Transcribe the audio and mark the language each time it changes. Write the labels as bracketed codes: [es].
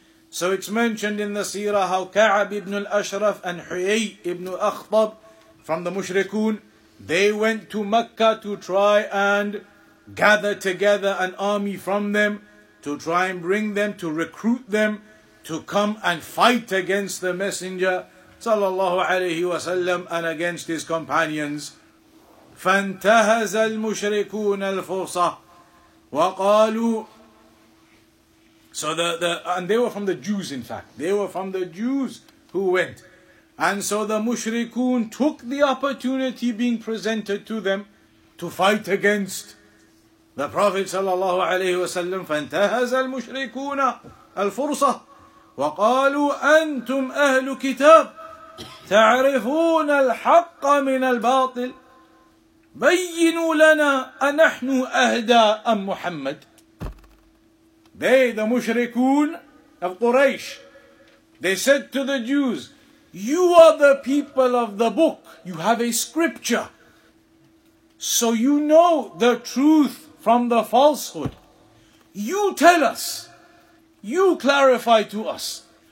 [en] So it's mentioned in the seerah how Ka'ab ibn al-Ashraf and Huyay ibn Akhtab from the Mushrikun, they went to Mecca to try and gather together an army from them, to try and bring them, to recruit them, to come and fight against the messenger صلى الله عليه وسلم and against his companions. [ar] فانتهز المشركون الفرصة وقالوا. [en] So and they were from the Jews, in fact. They were from the Jews who went. And so the mushrikun took the opportunity being presented to them to fight against the Prophet صلى الله عليه وسلم. [ar] فانتهز المشركون الفرصة وقالوا أنتم أهل كتاب تعرفون الحق من الباطل. بَيِّنُوا لَنَا أَنَحْنُ أَهْدَى أَمْ مُحَمَّدٍ. [en] They, the mushrikun of Quraysh, they said to the Jews, you are the people of the book. You have a scripture. So you know the truth from the falsehood. You tell us. You clarify to us.